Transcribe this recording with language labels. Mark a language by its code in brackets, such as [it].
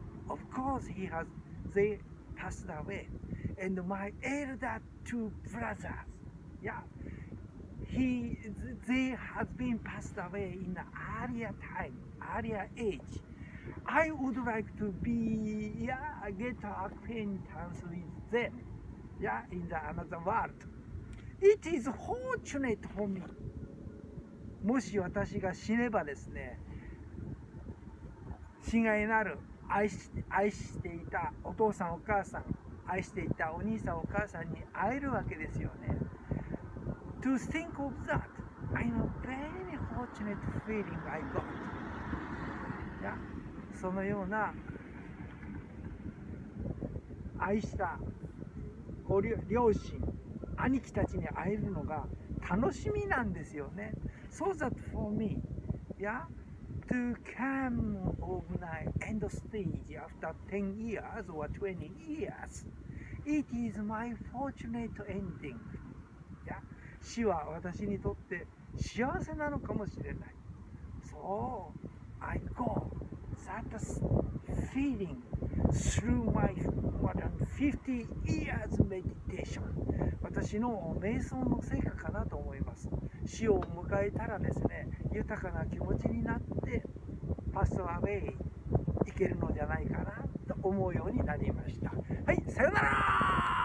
[en] Of course, they passed away, and my elder two brothers, they has been passed away in the earlier time, earlier age. I would like to be, get acquaintance with them, in the another world. It is fortunate for me. [ja] もし私が死ねばですね、親愛なる愛していたお父さんお母さん、愛していたお兄さんお母さんに会えるわけですよね。 [en] To think of that, I know very fortunate feeling I got. Yeah. [ja] そのような愛した両親、兄貴たちに会えるのが楽しみなんですよね。 [en] So that for me, to come of my end stage after 10 years or 20 years, it is my fortunate ending. [ja] 死は私にとって幸せなのかもしれない。 [en] So, I go. That feeling through my more than 50 years meditation. [ja] 私の瞑想の成果かなと思います。死を迎えたらですね、豊かな気持ちになってパスアウェイ行けるのじゃないかなと思うようになりました。はい、さよなら。